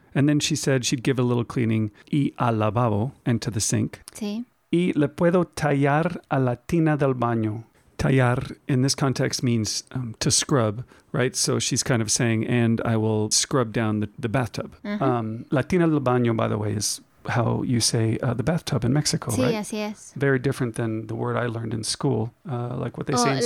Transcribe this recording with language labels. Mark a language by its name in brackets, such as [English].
[English] And then she said she'd give a little cleaning [Spanish] y al lavabo [English] and to the sink. [Spanish] Sí. Y le puedo tallar a la tina del baño. [English] Tallar in this context means to scrub, right? So she's kind of saying, and I will scrub down the bathtub. Uh-huh. La tina del baño, by the way, is how you say the bathtub in Mexico, [Spanish] sí, [English] right? [Spanish] Sí, así es. [English] Very different than the word I learned in school, like what they say in